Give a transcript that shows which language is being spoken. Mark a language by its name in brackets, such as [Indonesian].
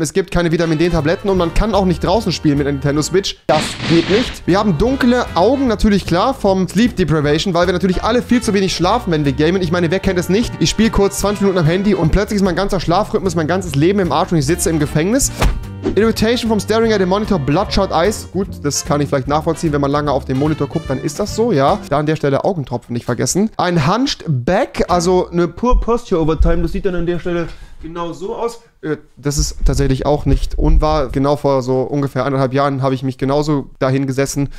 [German] Es gibt keine Vitamin D-Tabletten und man kann auch nicht draußen spielen mit einer Nintendo Switch. Das geht nicht. Wir haben dunkle Augen, natürlich klar, vom Sleep Deprivation, weil wir natürlich alle viel zu wenig schlafen, wenn wir gamen. Ich meine, wer kennt es nicht? Ich spiele kurz 20 Minuten am Handy und plötzlich ist mein ganzer Schlafrhythmus, mein ganzes Leben im Arsch und ich sitze im Gefängnis. [English] Irritation from staring at the monitor, bloodshot eyes. [German] Gut, das kann ich vielleicht nachvollziehen, wenn man lange auf den Monitor guckt, dann ist das so, ja. Da an der Stelle Augentropfen nicht vergessen. Ein hunched back, also eine [English] poor posture over time, [German] das sieht dann an der Stelle genau so aus. Das ist tatsächlich auch nicht unwahr. Genau vor so ungefähr 1,5 Jahren habe ich mich genauso dahin gesessen.